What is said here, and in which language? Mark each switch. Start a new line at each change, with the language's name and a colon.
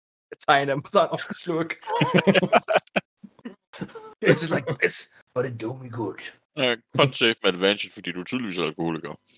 Danish: Jeg tager en af dem, og så en sluk.
English: It's just like this, but it do me good.
Danish: Ja, kun safe med advantage, fordi du tydeligvis er alkoholiker.